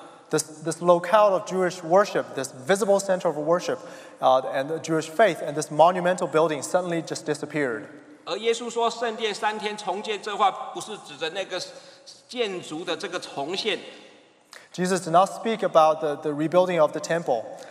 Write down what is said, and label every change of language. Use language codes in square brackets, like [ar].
[en] This locale of Jewish worship, this visible center of worship, and the Jewish faith, and this monumental building suddenly just disappeared. [zh] 而耶稣说圣殿三天重建这话不是指着那个建筑的这个重现。 [en] Jesus did not speak about the rebuilding of the temple.